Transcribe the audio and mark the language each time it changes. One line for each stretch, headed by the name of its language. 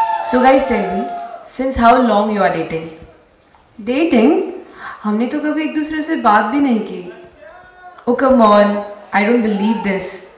English: So guys tell me, since how long you are dating? Dating?
Hindi: हमने तो कभी एक दूसरे से बात भी नहीं की.
English: Oh come on, I don't believe this.